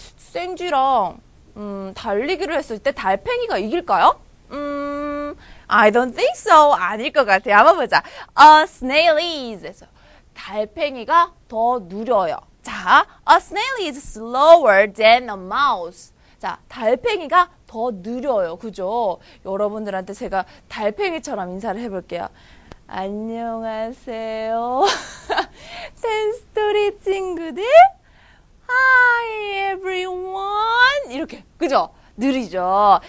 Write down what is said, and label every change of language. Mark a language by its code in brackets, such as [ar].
[ko] 생쥐랑 달리기를 했을 때 달팽이가 이길까요? [en] I don't think so. [ko] 아닐 것 같아요. 한번 보자. [en] A snail is. [ko] 해서 달팽이가 더 느려요. [en] 자, a snail is slower than a mouse. [ko] 자, 달팽이가 더 느려요. 그죠? 여러분들한테 제가 달팽이처럼 인사를 해볼게요. 안녕하세요. 텐스토리 친구들. [en] Hi everyone. [ko] 이렇게. 그죠? 느리죠?